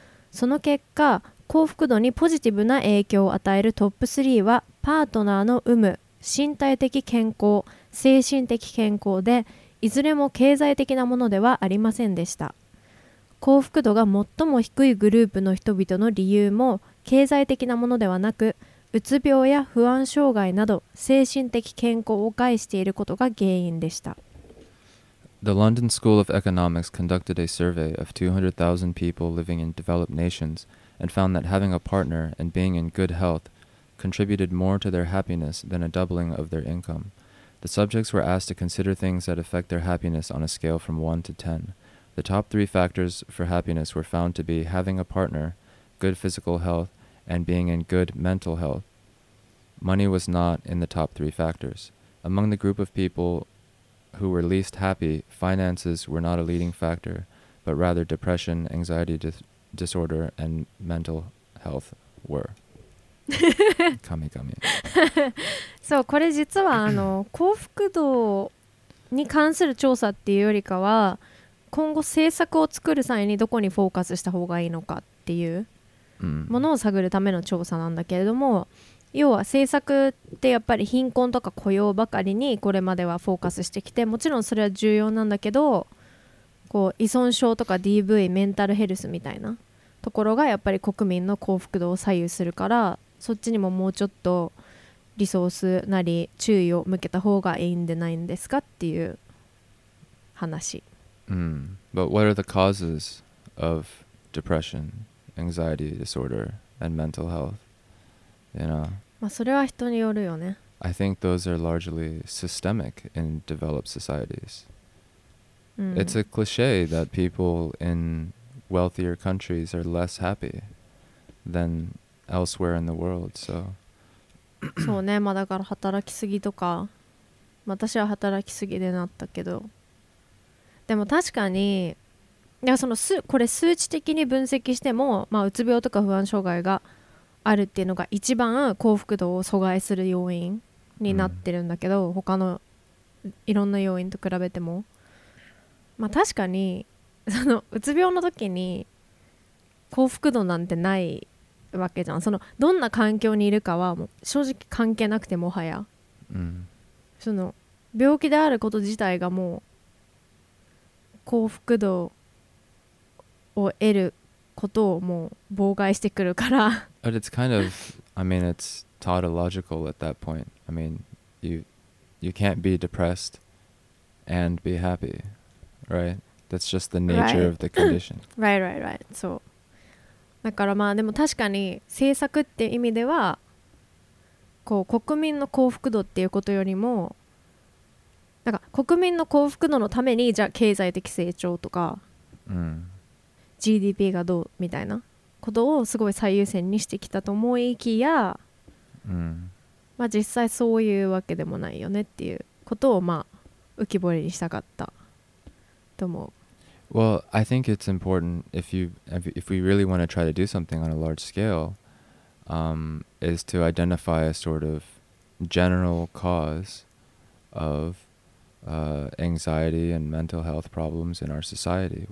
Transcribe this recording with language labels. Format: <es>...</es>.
<ja>その結果、幸福度にポジティブな影響を与えるトップ3は、パートナーの有無、身体的健康、精神的健康で、いずれも経済的なものではありませんでした。幸福度が最も低いグループの人々の理由も、経済的なものではなく、うつ病や不安障害など精神的健康を害していることが原因でした。</ja> <en>The London School of Economics conducted a survey of 200,000 people living in developed nations and found that having a partner and being in good health contributed more to their happiness than a doubling of their income. The subjects were asked to consider things that affect their happiness on a scale from 1 to 10. The top three factors for happiness were found to be having a partner, good physical health,and being in good mental health. Money was not in the top three factors. Among the group of people who were least happy, finances were not a leading factor, but rather depression, anxiety disorder, and mental health were. Kami kami.</en> <ja>So, これ実は幸福度に関する調査っていうよりかは、今後政策を作る際にどこにフォーカスした方がいいのかっていう。ものを探るための調査なんだけれども、要は政策ってやっぱり貧困とか雇用ばかりにこれまではフォーカスしてきて、もちろんそれは重要なんだけど、こう依存症とか DV メンタルヘルスみたいなところがやっぱり国民の幸福度を左右するから、そっちにももうちょっとリソースなり注意を向けた方がいいんでないんですかっていう話。</ja> <en>But what are the causes of depressionanxiety disorder and mental health, you know.</en> <ja>まあそれは人によるよね。</ja> <en>I think those are largely systemic in developed societies. It's a cliche that people in wealthier countries are less happy than elsewhere in the world. So.</en> <ja>そうね。まあだから働きすぎとか、まあ、私は働きすぎでなったけど、でも確かに。いやそのこれ数値的に分析しても、まあ、うつ病とか不安障害があるっていうのが一番幸福度を阻害する要因になってるんだけど、他のいろんな要因と比べても、まあ、確かにそのうつ病の時に幸福度なんてないわけじゃん。そのどんな環境にいるかはもう正直関係なくて、もはや、その病気であること自体がもう幸福度を得ることをもう妨害してくるから。</ja> <en>But it's kind of, I mean, it's tautological at that point. I mean, you can't be depressed and be happy, right? That's just the nature of the condition. Right, right, right. そう。</en> <ja>だからまあでも確かに政策っていう意味では、こう国民の幸福度っていうことよりも、なんか国民の幸福度のためにじゃあ経済的成長とか。 GDP がどうみたいなことをすごい最優先にしてきたと思いきや、まあ実際そういうわけでもないよねっていうことをまあ浮き彫りにしたかったと思う。</ja> <en>Well, I think it's important if we really want to try to do something on a large scale, is to identify a sort of general cause of anxiety and mental health problems in our society.</en>